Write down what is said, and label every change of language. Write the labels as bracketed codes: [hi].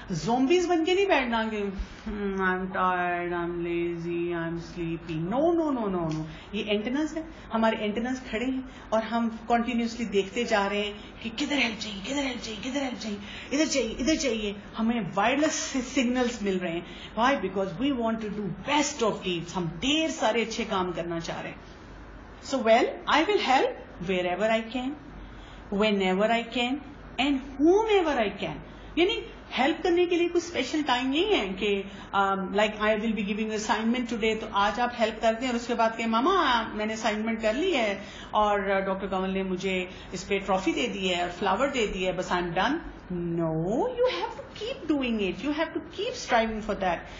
[ur] Zombies بن کے نہیں بیٹھنا کہ [en] I'm tired, I'm lazy, I'm sleepy. No. [ur] یہ اینٹیناز ہے, ہمارے اینٹیناز کھڑے ہیں اور ہم کنٹینیوسلی دیکھتے جا رہے ہیں کہ کدھر ہیلپ چاہیے, کدھر ہیلپ چاہیے, کدھر ہیلپ چاہیے, ادھر چاہیے, ادھر چاہیے. ہمیں وائرلیس سے سگنلس مل رہے ہیں. [en] Why? Because we want to do best of deeds. [ur] ہم ڈھیر سارے اچھے کام کرنا چاہ رہے ہیں. [en] So well, I will help wherever I can, whenever I can, and whomever I can. [ur] یعنی ہیلپ کرنے کے لیے کوئی اسپیشل ٹائم نہیں ہے کہ [en] like I will be giving assignment today, [ur] تو آج آپ ہیلپ کر دیں اور اس کے بعد کہ ماما میں نے اسائنمنٹ کر لی ہے اور ڈاکٹر کنول نے مجھے اس پہ ٹرافی دے دی ہے اور فلاور دے دی ہے, بس [en] I am done. No, you have to keep doing it, you have to keep striving for that.